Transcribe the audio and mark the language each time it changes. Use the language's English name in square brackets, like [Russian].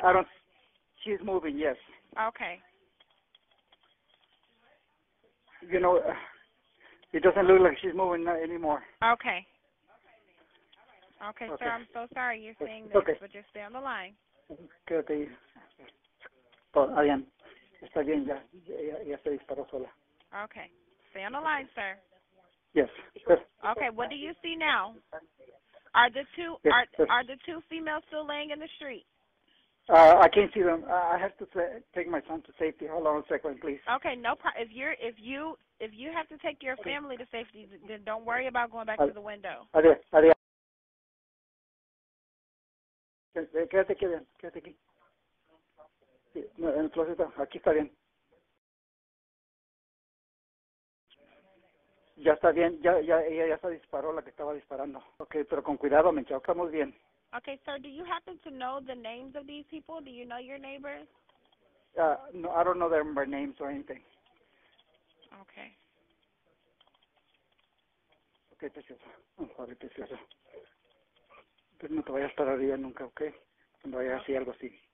[English] I don't see. She's moving, yes. Okay. You know, it doesn't look like she's moving anymore. Okay. Okay, sir, I'm so sorry you're seeing this, but just stay on the line. [Spanish] Quédate ahí. Oh, Adrián, está bien, ya se disparó sola. [English] Okay, stay on the line, sir. Yes. Okay, what do you see now? Are the two females still laying in the street? I can't see them. I have to take my son to safety. Hold on a second, please. Okay, no problem. If you have to take your family to safety, then don't worry about going back to the window. [Spanish] Adiós. Quédate aquí, bien. Quédate aquí. No, en el closet. Aquí está bien. Ya está bien. Ya ella ya se disparó la que estaba disparando. Okay, pero con cuidado, me chao. Estamos bien. [English] Okay, sir, do you happen to know the names of these people? Do you know your neighbors? No, I don't know them by names or anything. Okay. [Spanish] Okay, preciosa. Oh, joder, preciosa. Pero no te vayas para arriba nunca, okay? Cuando vaya así, algo así.